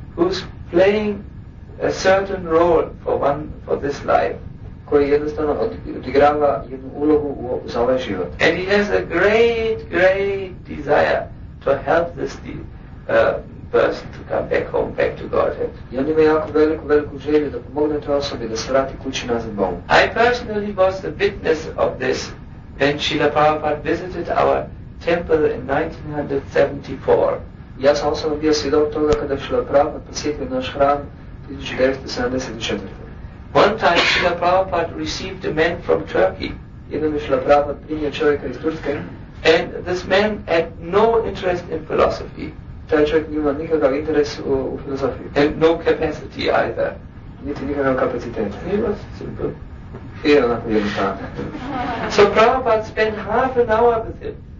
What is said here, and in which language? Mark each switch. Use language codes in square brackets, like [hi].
[en] Who's playing a certain role for this life. [bs] Koji jednostavno odigrava jednu ulogu za ovaj život. [en] And he has a great, great desire to help this person to come back home, back to Godhead. [bs] I on ima jako veliku, veliku želju da pomogne toj osobi da se vrati kući nazad Bogu. [en] I personally was the witness of this when Srila Prabhupada visited our temple in 1974. [bs] Ja sam osobno bio svjedok toga kada Srila Prabhupada posjetio naš hram 1974. [en] One time Srila Prabhupada received a man from Turkey. And this man had no interest in philosophy. And no capacity either. He was simple. So Prabhupada spent half an hour with him.